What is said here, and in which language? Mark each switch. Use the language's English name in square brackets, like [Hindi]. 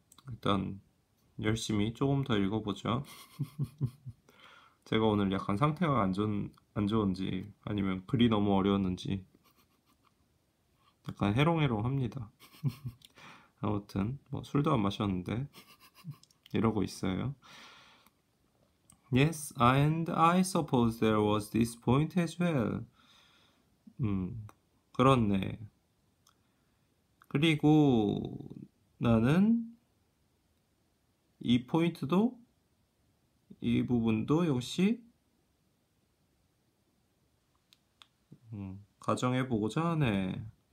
[Korean] 일단 열심히 조금 더 읽어보죠. 제가 오늘 약간 상태가 안 좋은지 아니면 글이 너무 어려웠는지 약간 해롱해롱합니다. 아무튼 뭐 술도 안 마셨는데 이러고 있어요. [English] Yes, and I suppose there was this point as well. [Korean] 그렇네. 그리고 나는 이 포인트도, 이 부분도 역시 가정해 보고자 하네.